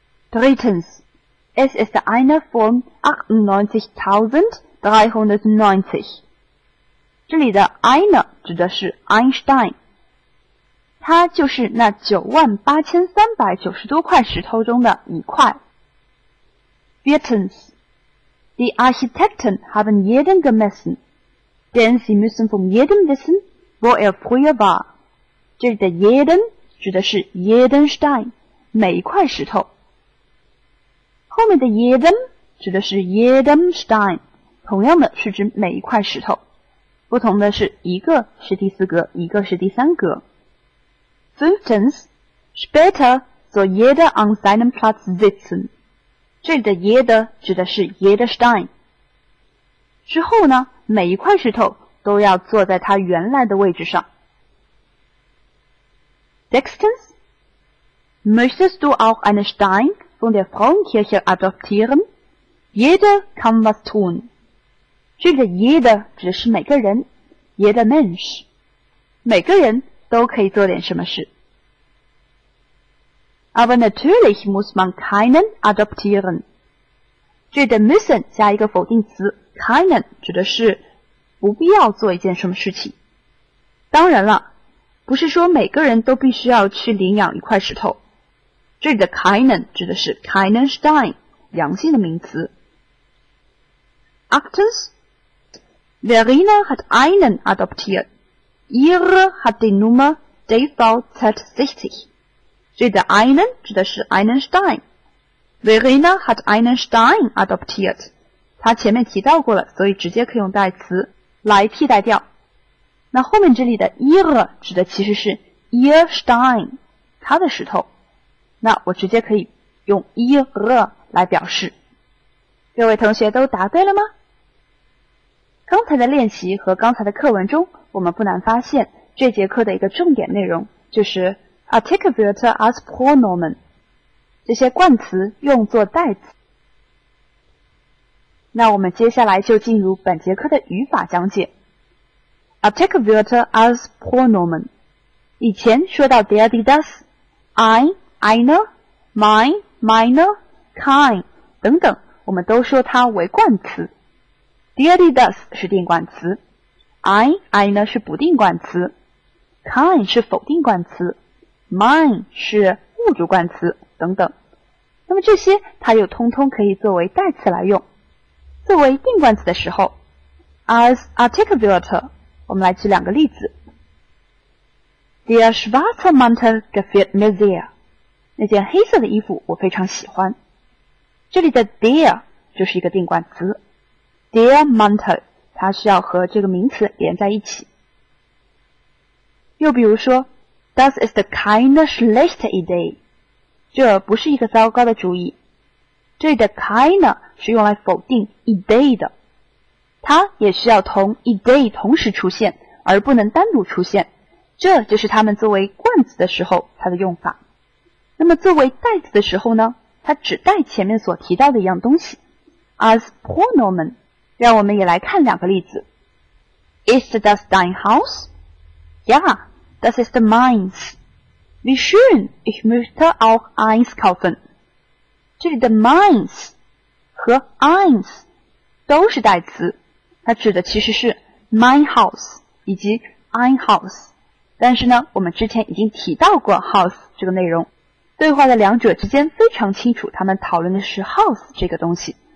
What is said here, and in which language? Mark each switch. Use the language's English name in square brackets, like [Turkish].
[German] Drittens, es ist eine von 98,390. [Chinese] 这里的 eine 指的是 Einstein， 它就是那98,390多块石头中的一块。 [German] Viertens, Die Architekten haben jeden gemessen, denn sie müssen von jedem wissen, wo früher war. [Chinese] 这里的 jeden 指的是 [German] jeden Stein, [Chinese] 每一块石头。后面的 jeden 指的是 [German] jeden Stein, [Chinese] 同样的是指每一块石头。不同的是一个是第四格，一个是第三格。 [German] Fünftens, später soll jeder an seinem Platz sitzen. [Chinese] 这里的 jeder 指的是 [German] jeder Stein。 [Chinese] 之后呢，每一块石头都要坐在它原来的位置上。 [German] Sechstens, möchtest du auch einen Stein von der Frauenkirche adoptieren? Jeder kann was tun. [Chinese] 这里的 jeder 指的是每个人 , [German] jeder Mensch, [Chinese] 每个人都可以做点什么事。 [German] Aber natürlich muss man keinen adoptieren. [Chinese] 这里的 müssen 加一个否定词 ,keinen 指的是不必要做一件什么事情。当然了，不是说每个人都必须要去领养一块石头。这里的 keinen 指的是 [German] keinen Stein, [Chinese] 阳性的名词。 [German] Achtens, Verena hat einen adoptiert. Ihre hat die Nummer DV-Z60. [Chinese] 这里的 einen 指的是 [German] einen Stein. Verena hat einen Stein adoptiert. [Chinese] 他前面提到过了，所以直接可以用代词来替代掉。那后面这里的 ihr 指的其实是 [German] ihr Stein, [Chinese] 他的石头。那我直接可以用 ihr 来表示。各位同学都答对了吗？刚才的练习和刚才的课文中，我们不难发现这节课的一个重点内容就是 [German] Artikelwörter als Pronomen, [Chinese] 这些冠词用作代词。那我们接下来就进入本节课的语法讲解。 [German] Artikelwörter als Pronomen. [Chinese] 以前说到 [German] der, die, das, ein, eine, mein, meine, kein, [Chinese] 等等，我们都说它为冠词。 [German] Der, die, das [Chinese] 是定冠词， [German] ein, eine [Chinese] 是不定冠词， kein 是否定冠词， mein 是物主冠词，等等。那么这些它又通通可以作为代词来用。作为定冠词的时候， [German] as Artikelwörter， [Chinese] 我们来举两个例子。 [German] Der schwarze Mantel gefällt mir sehr， [Chinese] 那件黑色的衣服我非常喜欢。这里的 der 就是一个定冠词， [German] Der Mantel, [Chinese] 它需要和这个名词连在一起。又比如说， [German] Das ist keine schlechte Idee, [Chinese] 这不是一个糟糕的主意。这里的 keine 是用来否定 Idee 的，它也需要同 Idee 同时出现，而不能单独出现，这就是它们作为冠词的时候它的用法。那么作为代词的时候呢，它只带前面所提到的一样东西。 [German] As Pronomen， [Chinese] 让我们也来看两个例子。 [German] Ist das dein Haus? Ja, das ist meins. Wie schön, ich möchte auch eins kaufen. [Chinese] 这里的 meins 和 eins 都是代词，它指的其实是 [German] mein house [Chinese] 以及 [German] ein house。 [Chinese] 但是呢，我们之前已经提到过 house 这个内容，对话的两者之间非常清楚，他们讨论的是 house 这个东西。